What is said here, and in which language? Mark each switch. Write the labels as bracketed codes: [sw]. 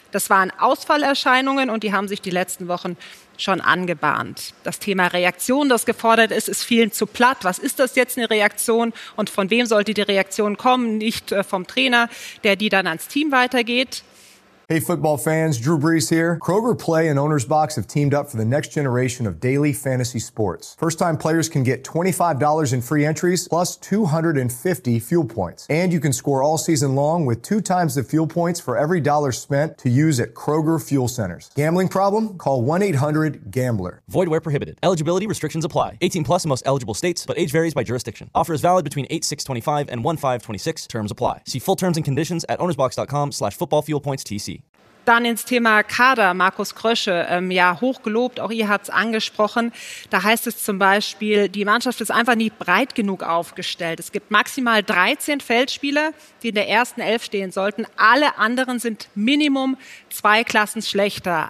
[de] Das waren Ausfallerscheinungen und die haben sich die letzten Wochen schon angebahnt. Das Thema Reaktion, das gefordert ist, ist vielen zu platt. Was ist das jetzt, eine Reaktion? Und von wem sollte die Reaktion kommen? Nicht vom Trainer, der die dann ans Team weitergeht. [en] Hey football fans, Drew Brees here. Kroger Play and Owner's Box have teamed up for the next generation of daily fantasy sports. First time players can get $25 in free entries plus 250 fuel points. And you can score all season long with 2 times the fuel points for every dollar spent to use at Kroger Fuel Centers. Gambling problem? Call 1-800-GAMBLER. Void where prohibited. Eligibility restrictions apply. 18 plus in most eligible states, but age varies by jurisdiction. Offer is valid between 8/6/25 and 1/5/26. Terms apply. See full terms and conditions at ownersbox.com/footballfuelpointstc. [de] Dann ins Thema Kader. Markus Krösche, ja, hochgelobt, auch ihr habt es angesprochen. Da heißt es zum Beispiel, die Mannschaft ist einfach nicht breit genug aufgestellt. Es gibt maximal 13 Feldspieler, die in der ersten Elf stehen sollten. Alle anderen sind Minimum 2 Klassen schlechter.